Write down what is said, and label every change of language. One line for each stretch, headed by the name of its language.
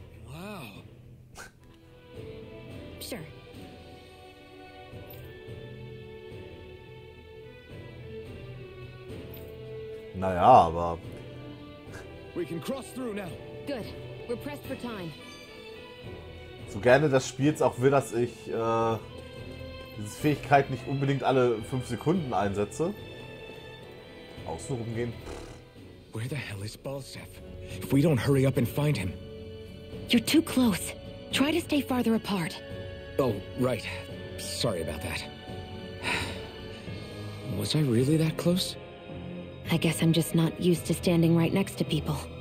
English: Wow. Sure.
German: Naja, aber
English: We can cross through now. Good. We're pressed for time.
German: So gerne das Spiel jetzt auch will, dass ich diese Fähigkeit nicht unbedingt alle 5 Sekunden einsetze. Außen rumgehen.
English: Where the hell is Balsef? If we don't hurry up and find him. You're too close. Try to stay farther apart. Oh, right. Sorry about that. Was I really that close? I guess I'm just not used to standing right next to people.